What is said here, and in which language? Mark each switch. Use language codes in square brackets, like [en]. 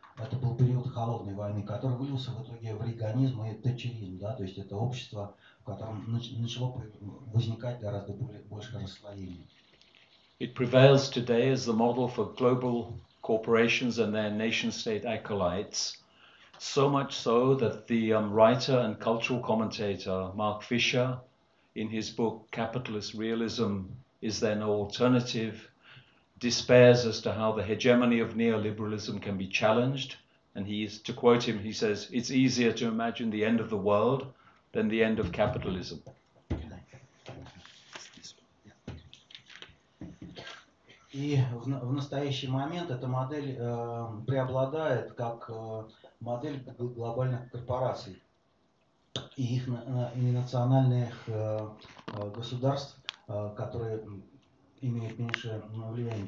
[ru] Это был период холодной войны, который вылился в итоге в риганизм и тэтчеризм, да, то есть это общество, в котором начало возникать гораздо больше расслоений. [en] It prevails today as the model for global corporations and their nation-state acolytes, so much so that the writer and cultural commentator Mark Fisher, in his book Capitalist Realism, Is There No Alternative?, despairs as to how the hegemony of neoliberalism can be challenged. And he is, to quote him, he says, it's easier to imagine the end of the world than the end of capitalism. [ru] И в настоящий момент эта модель преобладает как модель глобальных корпораций и их и национальных государств, которые имеют меньшее влияние.